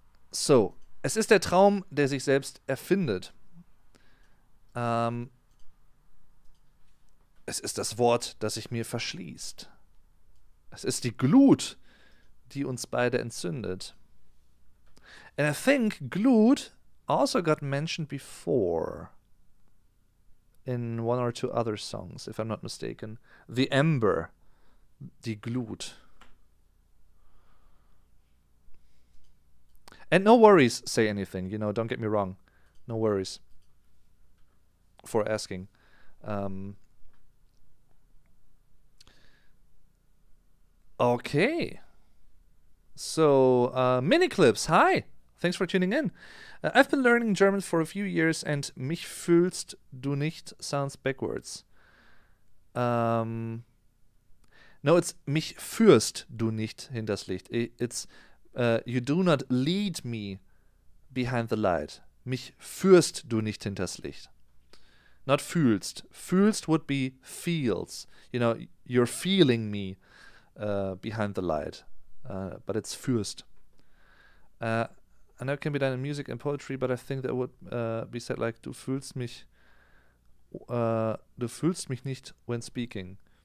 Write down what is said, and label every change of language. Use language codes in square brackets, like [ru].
[de] So, es ist der Traum, der sich selbst erfindet. Es ist das Wort, das sich mir verschließt. Es ist die Glut, die uns beide entzündet. [en] And I think Glut also got mentioned before. in one or two other songs, if I'm not mistaken. The Ember, die Glut. And no worries, say anything, you know, don't get me wrong. No worries for asking. Okay. So, mini clips. Hi. Thanks for tuning in. I've been learning German for a few years and [de] mich fühlst du nicht [en] sounds backwards. No, it's [de] mich führst du nicht hinters Licht. [en] It's you do not lead me behind the light. [de] Mich führst du nicht hinters Licht. [en] Not fühlst. Fühlst would be feels. You know, you're feeling me behind the light. But it's führst. I know it can be done in music and poetry, but I think that would be said like [de] du fühlst mich nicht [en] when speaking.